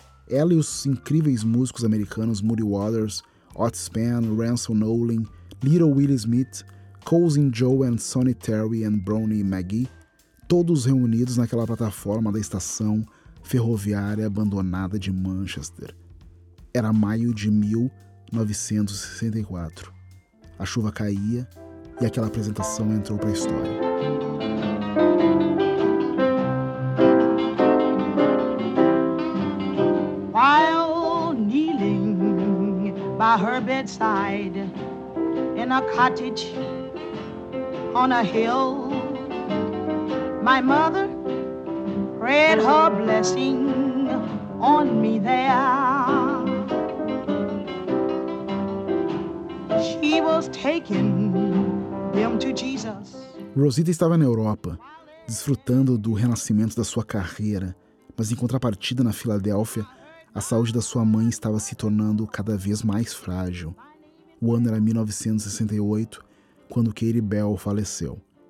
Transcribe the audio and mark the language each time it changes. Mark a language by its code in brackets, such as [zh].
[pt] Ela e os incríveis músicos americanos Muddy Waters, Otis Penn, Ransom Nolan, Little Willie Smith, Cousin Joe and Sonny Terry and Brownie McGee, todos reunidos naquela plataforma da estação ferroviária abandonada de Manchester. Era maio de 1964. A chuva caía e aquela apresentação entrou para a história. [en] While kneeling by her bedside in a cottage on a hill, my mother read her blessing on me there. She was taking them to Jesus. [pt] Rosita estava na Europa, desfrutando do renascimento da sua carreira, mas em contrapartida na Filadélfia, a saúde da sua mãe estava se tornando cada vez mais frágil. O ano era 1968, quando Katie Bell faleceu.